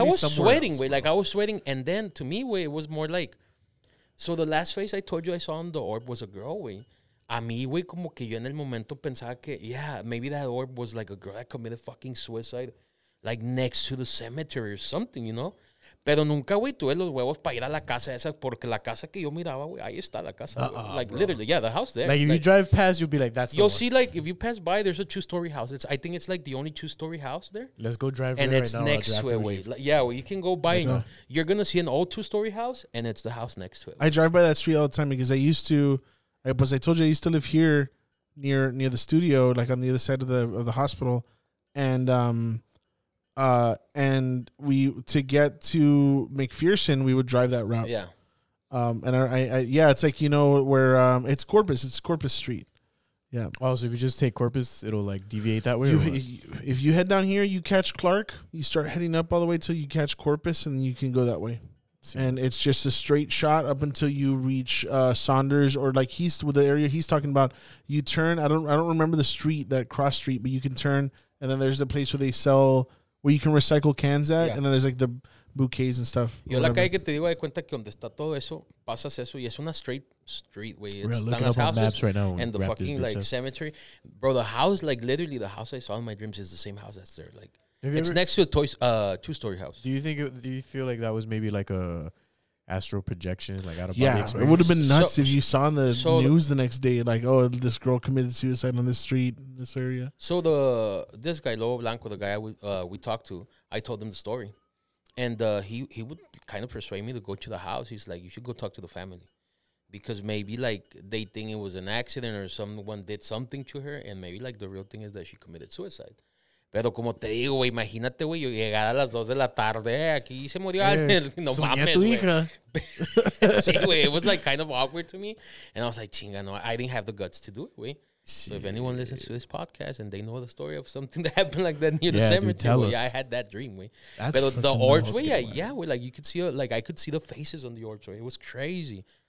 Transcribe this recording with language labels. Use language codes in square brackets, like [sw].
[en] I was sweating, güey. Like, I was sweating. And then, to me, güey, it was more like, so the last face I told you I saw on the orb was a girl, güey. [es] A mí, güey, como que yo en el momento pensaba que, [en] yeah, maybe that orb was like a girl that committed fucking suicide, like, next to the cemetery or something, you know? [es] Pero nunca, güey, tuve los huevos para ir a la casa esa, porque la casa que yo miraba, güey, ahí está la casa. [en] Like, bro. Literally, yeah, the house there. Like, if you drive past, you'll be like, that's the one. You'll see, like, if you pass by, there's a two-story house. It's, I think it's, like, the only two-story house there. Let's go drive and there right now. And it's next to it, wait. Like, yeah, well, you can go by. Let's and go. You're going to see an old two-story house, and it's the house next to it. I drive by that street all the time because I used to, as I told you, I used to live here near the studio, like, on the other side of the hospital. And, and we to get to McPherson, we would drive that route. Yeah. And I it's like, you know, where it's Corpus. It's Corpus Street. Yeah. Oh, so if you just take Corpus, it'll like deviate that way. If you head down here, you catch Clark. You start heading up all the way till you catch Corpus, and you can go that way. See. And it's just a straight shot up until you reach Saunders, or like he's with the area he's talking about. You turn. I don't remember the street, that cross street, but you can turn, and then there's a place where they sell. Where you can recycle cans at, yeah. And then there's like the bouquets and stuff. [es] Yo, la calle que te digo, de cuenta que donde está todo eso, pasas eso, y es una street, güey. [en] We're looking up on maps right now. And the fucking, like, cemetery. Bro, the house, like, literally the house I saw in my dreams is the same house that's there. Like, it's next to a two-story house. Do you feel like that was maybe like a astral projection, like out of body experience? Yeah, it would have been nuts if you saw in the news the next day, like, oh, this girl committed suicide on the street in this area. So this guy, Lobo Blanco, the guy we talked to, I told him the story. And he would kind of persuade me to go to the house. He's like, you should go talk to the family. Because maybe, like, they think it was an accident or someone did something to her. And maybe, like, the real thing is that she committed suicide. [es] Pero como te digo, güey, imagínate, güey, yo llegar a las 2 de la tarde, aquí se murió. No mames, güey. Soñé a tu hija. [en] Sí, güey, it was like kind of awkward to me. And I was like, chinga, no, I didn't have the guts to do it, güey. Sí. So if anyone listens to this podcast and they know the story of something that happened like that near the cemetery, güey, I had that dream, güey. But the orbs, güey, like you could see, like I could see the faces on the orbs, güey. It was crazy.